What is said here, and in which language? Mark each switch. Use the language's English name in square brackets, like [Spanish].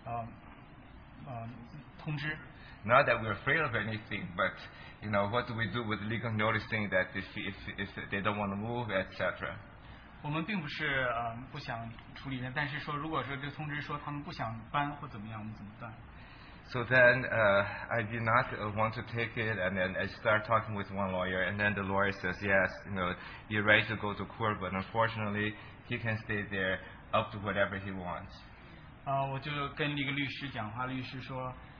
[Chinese] 因为不想拿这封信，因为这好像是一个法律的通知。 [English] Not that we're afraid of anything, but you know, what do we do with legal noticing that if they don't want to move, etc. [Chinese] 我们并不是不想处理，但是说如果说这通知说他们不想搬或怎么样，我们怎么办？ [English] So then I did not want to take it, and then I started talking with one lawyer, and then the lawyer says, yes, you know, you're ready to go to court, but unfortunately, he can stay there up to whatever he wants. [Chinese] 我就跟那个律师讲话，律师说。